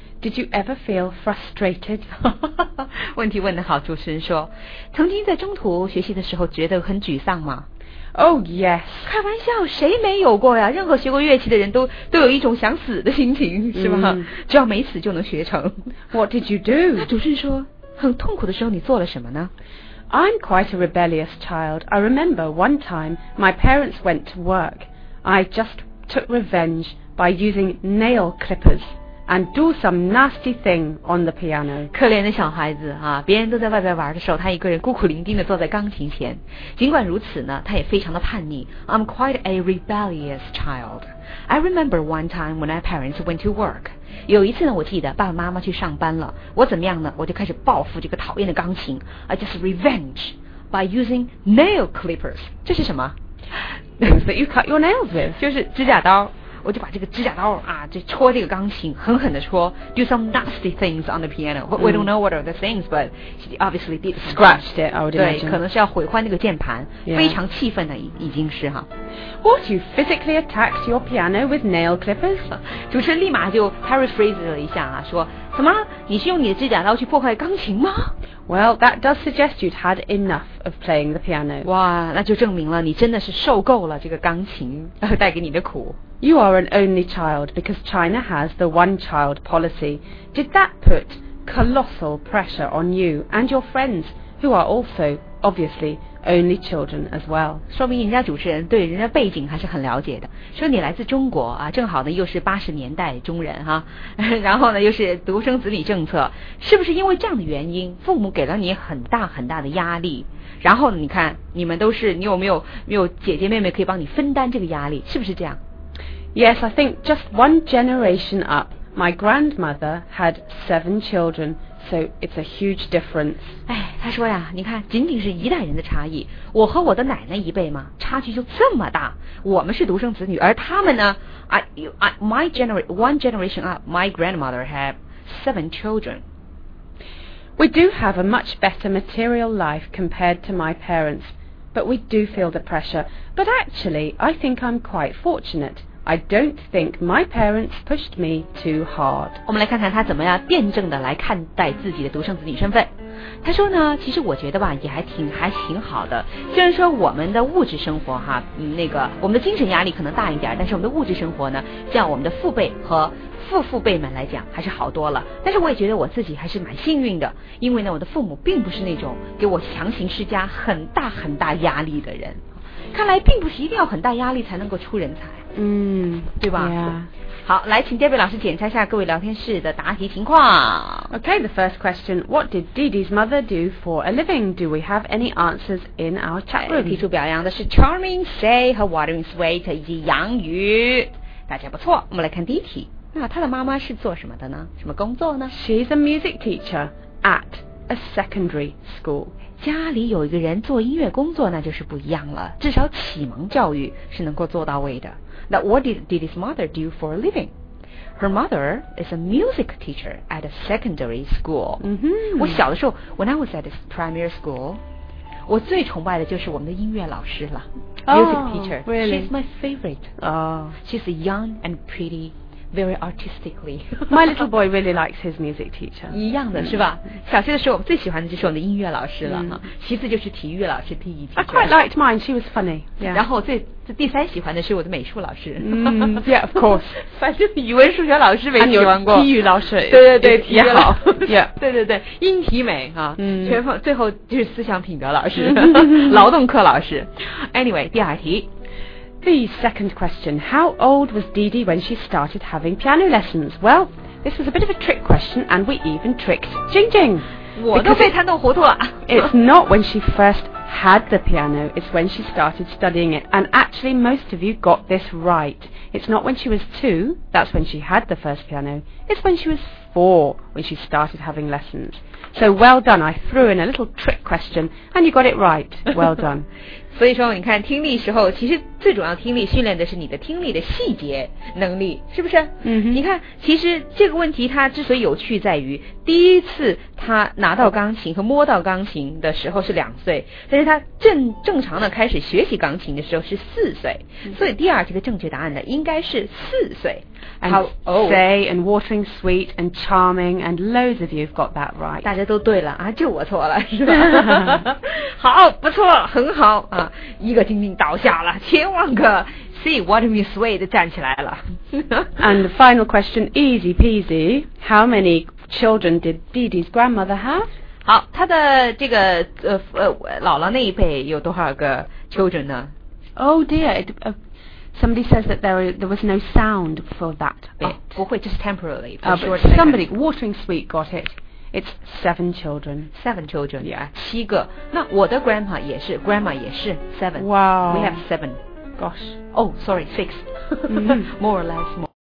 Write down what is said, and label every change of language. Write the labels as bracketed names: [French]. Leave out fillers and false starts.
[English] Did you ever feel frustrated? [Chinese] 问题问得好，主持人说，曾经在中途学习的时候觉得很沮丧吗？ [English] Oh yes. [Chinese] 开玩笑，谁没有过呀？任何学过乐器的人都有一种想死的心情，是吗？只要没死就能学成。 [English] What did you do? [Chinese] 主持人说，很痛苦的时候你做了什么呢？ [English] I'm quite a rebellious child. I remember one time my parents went to work. I just took revenge by using nail clippers. And do some nasty thing on the piano. [Chinese] 可怜的小孩子啊，别人都在外边玩的时候，他一个人孤苦伶仃地坐在钢琴前。尽管如此呢，他也非常的叛逆。 [English] I'm quite a rebellious child. I remember one time when my parents went to work. [Chinese] 有一次呢，我记得爸爸妈妈去上班了，我怎么样呢？我就开始报复这个讨厌的钢琴。 [English] I just revenge by using nail clippers. [Chinese] 这是什么 [English] ？Things that you cut your nails with. [Chinese] 就是指甲刀。我就把这个指甲刀啊，就戳这个钢琴，狠狠地戳。 [English] Do some nasty things on the piano. We don't know what are the things, but she obviously did scratched it. I would imagine. [Chinese] 对，可能是要毁坏那个键盘， yeah. 非常气愤的已经是哈。 [English] What you physically attacked your piano with nail clippers? [Chinese] 主持人立马就 paraphrase 了一下啊，说什么？你是用你的指甲刀去破坏钢琴吗？ [English] Well, that does suggest you'd had enough of playing the piano. [Chinese] 哇，那就证明了你真的是受够了这个钢琴带给你的苦。 [English] You are an only child because China has the one-child policy. Did that put colossal pressure on you and your friends, who are also, obviously, only children as well? [Chinese] 说明人家主持人对人家背景还是很了解的。说你来自中国啊，正好呢又是80年代中人哈，然后呢又是独生子女政策，是不是因为这样的原因，父母给了你很大很大的压力？然后呢你看，你们都是，你有没有姐姐妹妹可以帮你分担这个压力？是不是这样？ [English] Yes, I think just one generation up, my grandmother had 7 children, so it's a huge difference. [Chinese] 哎，她说呀，你看，仅仅是一代人的差异，我和我的奶奶一辈嘛，差距就这么大。 [English] 我们是独生子女，而他们呢，one generation up, my grandmother had 7 children. We do have a much better material life compared to my parents, but we do feel the pressure. But actually, I think I'm quite fortunate. I don't think my parents pushed me too hard. [Chinese] 我们来看看他怎么样辩证的来看待自己的独生子女身份。他说呢，其实我觉得吧，也还挺好的。虽然说我们的物质生活哈，我们的精神压力可能大一点，但是我们的物质生活呢，像我们的父辈和父辈们来讲，还是好多了。但是我也觉得我自己还是蛮幸运的，因为呢，我的父母并不是那种给我强行施加很大很大压力的人。看来并不是一定要很大压力才能够出人才，对吧？ [English] Yeah. [Chinese] 好，来请 Debbie 老师检查一下各位聊天室的答题情况。 [English] Okay, the first question, what did Dee Dee's mother do for a living? Do we have any answers in our chat room? [Chinese] 提出表扬的是 Charming Say 和 Watering Sweet 以及杨宇，大家不错。我们来看第一题，那她的妈妈是做什么的呢？什么工作呢？ [English] She's a music teacher at a secondary school. [Chinese] 家里有一个人做音乐工作，那就是不一样了，至少启蒙教育是能够做到位的。 [English] 那 what did Didi's mother do for a living? Her mother is a music teacher at a secondary school. [Chinese] 我小的时候 when I was at this primary school, 我最崇拜的就是我们的音乐老师了。 [English] Oh, music teacher. Really? She's my favorite. She's young and pretty. Very artistically. My little boy really likes his music teacher. [Chinese] 一样的是吧？小学的时候，我最喜欢的就是我们的音乐老师了。其次就是体育老师 ，PE teacher. [English] I quite liked mine. She was funny. Yeah. [Chinese] 然后最第三喜欢的是我的美术老师。 [English] Yeah, of course. [Chinese] 反正语文、数学老师没喜欢过。体育老师。对对对，体育老。 [English] Yeah. [Chinese] 对对对，音体美啊。全方最后就是思想品德老师，劳动课老师。Anyway, 第二题。 [English] The second question, how old was Dee Dee when she started having piano lessons? Well, this was a bit of a trick question and we even tricked Jing Jing. [Chinese] 我都被他弄糊涂了。 [English] It's not when she first had the piano, it's when she started studying it. And actually most of you got this right. It's not when she was two, that's when she had the first piano. It's when she was four when she started having lessons. So well done, I threw in a little trick question and you got it right. Well done. [Chinese] 所以说你看听力时候其实最主要听力训练的是你的听力的细节能力是不是、 mm-hmm. 你看其实这个问题它之所以有趣在于第一次他拿到钢琴和摸到钢琴的时候是两岁但是他正常的开始学习钢琴的时候是四岁、mm-hmm. 所以第二这个正确答案呢应该是四岁 [English] and say and watering sweet and charming and loads of you have got that right [Chinese] 大家都对了啊，就我错了是吧好不错很好啊，一个晶晶倒下了，千万个 see what me sweet 站起来了。 [English] And the final question, easy peasy, how many children did Dee Dee's grandmother have? [Chinese] 好，她的这个姥姥那一辈有多少个 children 呢 [English] ？Oh dear, somebody says that there was no sound for that bit.、 [Chinese] Oh, 不会，就是 temporarily. [English] But somebody watering sweet got it. It's seven children. Seven children. Yeah. [Chinese] 七个。那我的 grandma 也是 ,grandma 也是 seven. [English] Wow. We have seven. Gosh. Oh, sorry, six. more or less, more.